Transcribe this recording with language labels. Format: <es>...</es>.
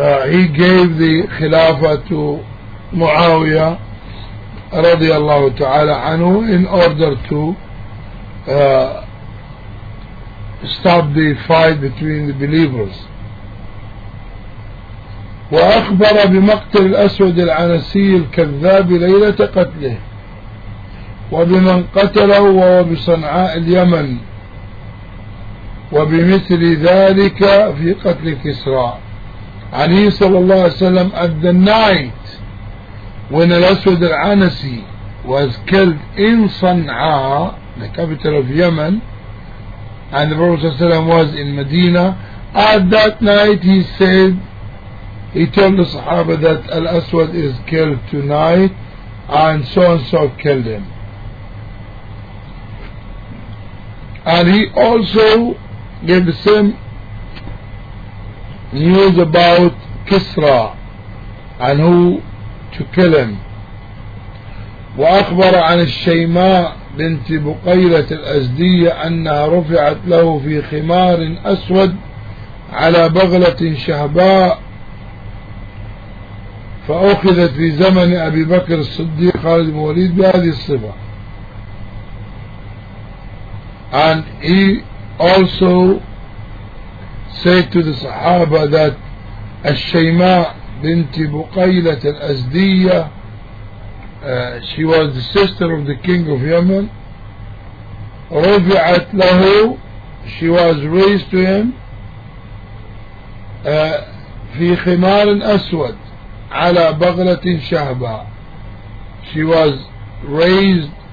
<en>he gave the Khilafah to Muawiyah radiallahu ta'ala anhu in order to stop the fight between the believers.</en> <ar>وأخبر بمقتل الأسود العنسي الكذاب ليلة قتله وبمن قتله وبصنعاء اليمن وبمثل ذلك في قتل كسرى.</ar> <en>And he sallallahu alayhi wa sallam, at the night when Al-Aswad Al-Anasi was killed in Sana'a, the capital of Yemen, and the Prophet sallallahu alayhi wa sallam was in Medina, at that night he said, he told the Sahaba that Al-Aswad is killed tonight and so and so killed him. And he also gave the same news about Kisra and who to kill him.</en> <ar>وأخبر عن الشيماء بنت بقيلة الأزدية أنها رفعت له في خمار أسود على بغلة شهباء فأخذت في زمن أبي بكر الصديق خالد بن الوليد بهذه الصفة.</ar> <en>And he also said to the Sahaba that Al-Shayma bint Buqaylat al-Azdiya, she was the sister of the king of Yemen,</en> <ar>rufi'at lahu,</ar> <en>she was raised to him,</en> <ar>fi khimar aswad ala baghlatin shahba,</ar> <en>she was raised</en>